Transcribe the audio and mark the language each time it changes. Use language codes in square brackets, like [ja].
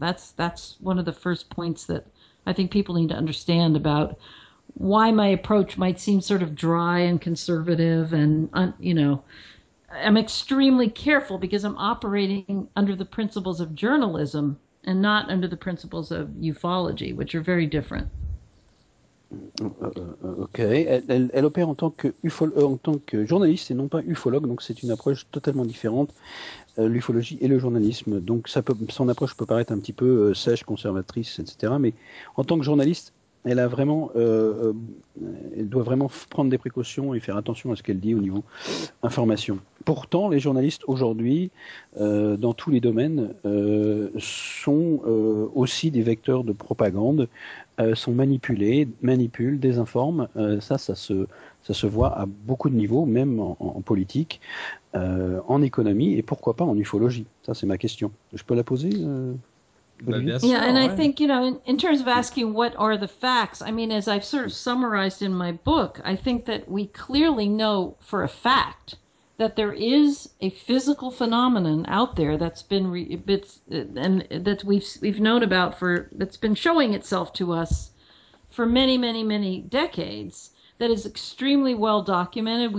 [en] That's one of the first points that I think people need to understand about why my approach might seem sort of dry and conservative. And, you know, I'm extremely careful because I'm operating under the principles of journalism and not under the principles of ufology, which are very different. [fr] Ok, elle opère en tant que journaliste et non pas ufologue, donc c'est une approche totalement différente, l'ufologie et le journalisme. Donc son approche peut paraître un petit peu sèche, conservatrice, etc. Mais en tant que journaliste, elle doit vraiment prendre des précautions et faire attention à ce qu'elle dit au niveau information. Pourtant, les journalistes aujourd'hui, dans tous les domaines, sont aussi des vecteurs de propagande, sont manipulés, manipulent, désinforment. Ça se voit à beaucoup de niveaux, même en politique, en économie, et pourquoi pas en ufologie. Ça, c'est ma question. Je peux la poser [en] Yeah, and I think, you know, in terms of asking what are the facts, I mean, as I've sort of summarized in my book, I think that we clearly know for a fact that there is a physical phenomenon out there that's been showing itself to us for many, many, many decades that is extremely well documented.